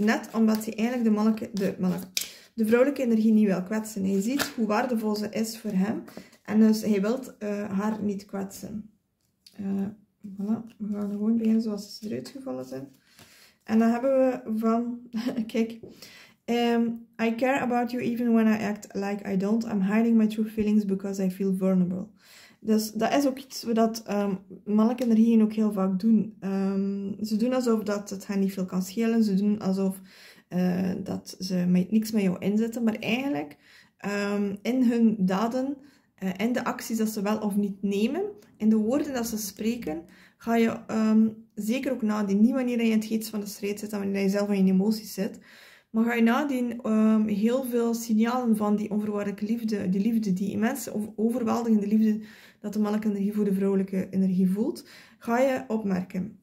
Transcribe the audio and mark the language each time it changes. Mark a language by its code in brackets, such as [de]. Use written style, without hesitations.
[nl] Net omdat hij eigenlijk de vrouwelijke energie niet wil kwetsen. Hij ziet hoe waardevol ze is voor hem. En dus hij wil haar niet kwetsen. Voilà. We gaan gewoon beginnen zoals ze eruit gevallen zijn. En dan hebben we van... Kijk. [en] I care about you even when I act like I don't. I'm hiding my true feelings because I feel vulnerable. [nl] Dus dat is ook iets wat mannelijke energieën ook heel vaak doen. Ze doen alsof dat het hen niet veel kan schelen. Ze doen alsof dat ze niks met jou inzetten. Maar eigenlijk, in hun daden, in de acties dat ze wel of niet nemen, in de woorden dat ze spreken, ga je zeker ook nadien, niet wanneer je in het geest van de strijd zit, dan wanneer je zelf in je emoties zit, maar ga je nadien heel veel signalen van die onvoorwaardelijke liefde, die liefde, die immense overweldigende liefde, dat de mannelijke energie voor de vrouwelijke energie voelt, ga je opmerken.